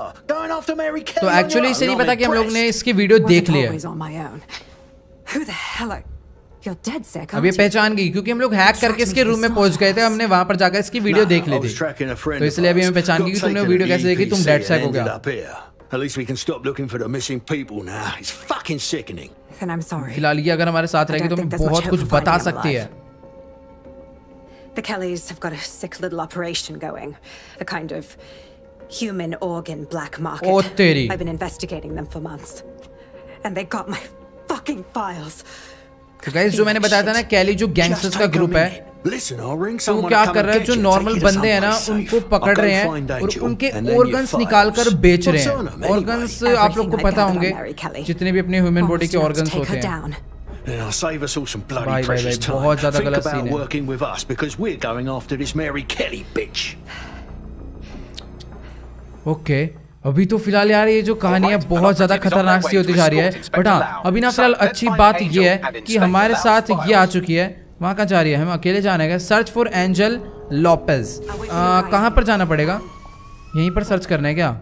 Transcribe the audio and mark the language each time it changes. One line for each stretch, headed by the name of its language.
Hindi: तो एक्चुअली इसे नहीं पता कि हम लोग ने इसकी वीडियो देख ली है। अब ये पहचान गई क्योंकि हम लोग हैक करके इसके रूम में पहुंच गए थे, हमने वहां पर जाकर इसकी वीडियो देख ली थी, तो इसलिए अभी हमें पहचान गई कि तुमने वीडियो कैसे देखी, तुम डेड सेक हो गया।
English: At least we can stop looking for the missing people now. It's fucking sickening. Then I'm sorry.
Hindi: फिलहाल ये अगर हमारे साथ रहेगी तो हमें बहुत कुछ बता सकती है।
English: The Kellys have got a sick little operation going, a kind of human organ black market.
Hindi: Oh, teri.
English: I've been investigating them for months, and they got my fucking files. So guys,
Hindi: जो मैंने बताया था ना, Kelly जो gangsters का group है,
English: listen,
Hindi: तो वो क्या कर रहा है? जो normal बंदे हैं ना, उनको पकड़ रहे हैं और उनके organs निकालकर बेच रहे हैं. Organs आप लोग को पता होंगे, जितने भी अपने human body के organs होते हैं.
English: And I'll save us all some bloody bye, precious bye, bye. time. Think about working with us, because we're going after this Mary Kelly bitch. Okay.
Hindi: अभी तो फिलहाल यार ये जो कहानी है बहुत ज्यादा खतरनाक सी होती जा रही है, बट हाँ अभी ना फिलहाल अच्छी बात ये है कि हमारे साथ ये आ चुकी है। वहाँ कहाँ जा रही है? हम अकेले जाने का।
English: search for Angel Lopez,
Hindi: कहाँ पर जाना पड़ेगा? यहीं पर सर्च करना है क्या?